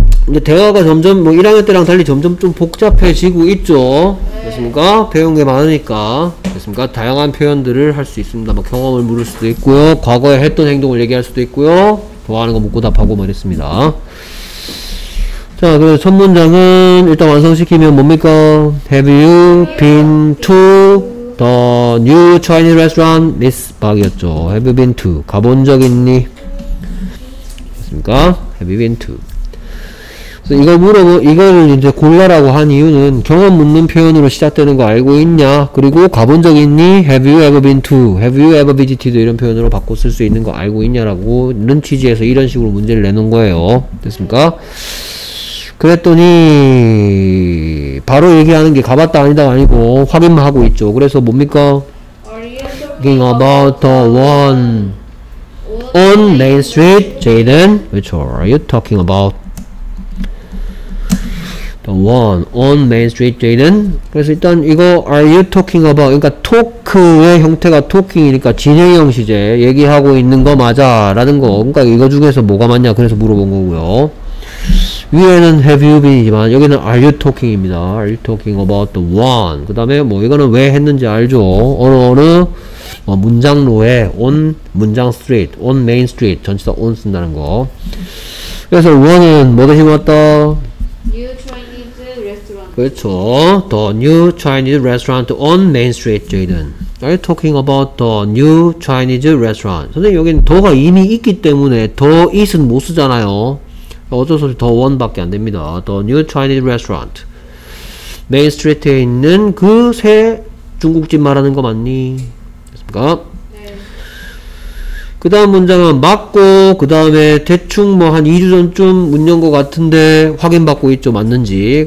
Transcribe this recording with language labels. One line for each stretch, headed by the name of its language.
Korean: 이제 대화가 점점 뭐 1학년 때랑 달리 점점 좀 복잡해지고 있죠. 됐습니까? 배운 게 많으니까. 됐습니까? 다양한 표현들을 할 수 있습니다. 뭐 경험을 물을 수도 있고요. 과거에 했던 행동을 얘기할 수도 있고요. 좋아하는 거 묻고 답하고 말했습니다. 자, 그럼 첫 문장은 일단 완성시키면 뭡니까?
English: Have you been to the new Chinese restaurant, Miss Park이었죠. Have you been to?
Korean: 가본 적 있니? 됐습니까?
English: Have you been to?
Korean: 이걸 물어보, 이걸 이제 골라라고 한 이유는 경험 묻는 표현으로 시작되는 거 알고 있냐? 그리고 가본 적 있니?
English: Have you ever been to? Have you ever visited?
Korean: 이런 표현으로 바꿔 쓸 수 있는 거 알고 있냐라고 는 취지에서 이런 식으로 문제를 내놓은 거예요. 됐습니까? 그랬더니, 바로 얘기하는 게 가봤다 아니다가 아니고 확인만 하고 있죠. 그래서 뭡니까?
English: Thinking about the one on Main Street, Jaden. Which are you talking about? The one on Main Street, Jaden.
Korean: 그래서 일단 이거
English: Are you talking about?
Korean: 그러니까 talk의 형태가 talking이니까 진행형 시제 얘기하고 있는 거 맞아 라는 거. 그러니까 이거 중에서 뭐가 맞냐 그래서 물어본 거고요. 위에는
English: Have you been이지만
Korean: 여기는
English: Are you talking입니다. Are you talking about the one?
Korean: 그 다음에 뭐 이거는 왜 했는지 알죠. 어느 어느 뭐 문장로에 On 문장 street, On Main Street 전치사 on 쓴다는 거. 그래서 one은 뭐 대신 왔다?
English: New Chinese restaurant.
Korean: 그렇죠.
English: The new Chinese restaurant on Main Street, Jaden. Are you talking about the new Chinese restaurant?
Korean: 선생님, 여긴 더가 이미 있기 때문에 더 it은 못 쓰잖아요. 어쩔 수 없이 더 one밖에 안 됩니다.
English: The new Chinese restaurant.
Korean: Main Street에 있는 그 새 중국집 말하는 거 맞니? 됐습니까? 그 다음 문장은 맞고 그 다음에 대충 뭐 한 2주 전쯤 문 연 것 같은데 확인받고 있죠 맞는지.